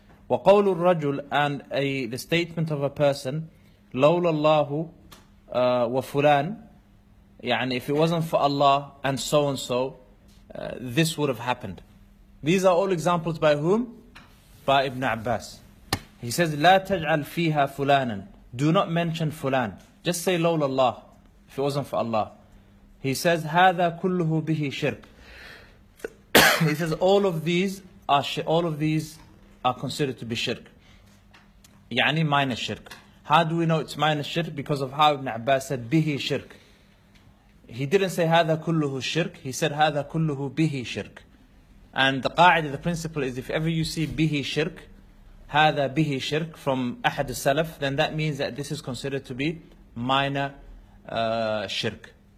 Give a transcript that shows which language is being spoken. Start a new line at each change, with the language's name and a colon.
Arabic: وقول الرجل,
English: and the statement of a person,
Arabic: لولا الله وفلان, يعني
English: if it wasn't for Allah and so and so, this would have happened. These are all examples by whom? By Ibn Abbas. He says,
Arabic: لا تجعل فيها فلانا.
English: Do not mention fulan. Just say
Arabic: لولا الله,
English: if it wasn't for Allah. He says,
Arabic: هذا كله به شرك.
English: He says, all of these are considered to be shirk.
Arabic: يعني
English: minor shirk. How do we know it's minor shirk? Because of how Ibn Abbas said
Arabic: به شرك.
English: He didn't say
Arabic: هذا كله شرك.
English: He said
Arabic: هذا كله به شرك.
English: And the قاعدة, the principle is, if ever you see
Arabic: به شرك, هذا به شرك
English: from
Arabic: أحد السلف,
English: then that means that this is considered to be minor shirk.